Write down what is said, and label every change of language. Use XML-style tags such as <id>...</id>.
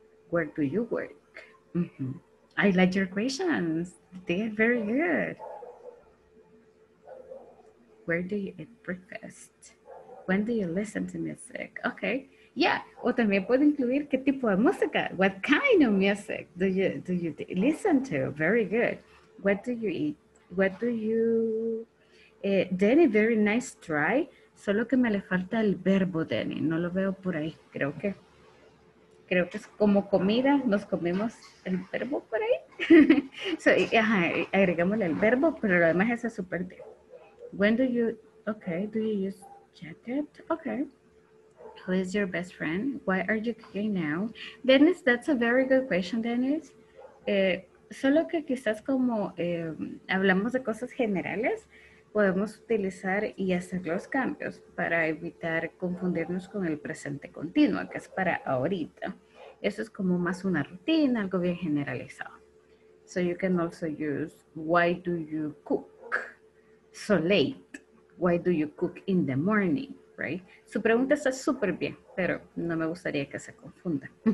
<en>Where do you work? I like your questions. They are very good. Where do you eat breakfast? When do you listen to music? Okay. Yeah.</en> <es>O también puedo incluir qué tipo de música.</es> <en>What kind of music do you listen to? Very good. What do you eat? What do you... Danny, very nice try.</en> <es>Solo que me le falta el verbo, Denny. No lo veo por ahí. Creo que es como comida. Nos comemos el verbo por ahí. So, ajá, agregámosle el verbo, pero lo demás es súper bien.</es> <en>When do you... Okay, do you use jacket? Okay. Who is your best friend? Why are you cooking now? Dennis, that's a very good question, Dennis.</en> <es>Solo que quizás como hablamos de cosas generales, podemos utilizar y hacer los cambios para evitar confundirnos con el presente continuo, que es para ahorita. Eso es como más una rutina, algo bien generalizado.</es> <en>So you can also use, why do you cook so late? Why do you cook in the morning, right?</en> <es>Su pregunta está súper bien, pero no me gustaría que se confunda.</es>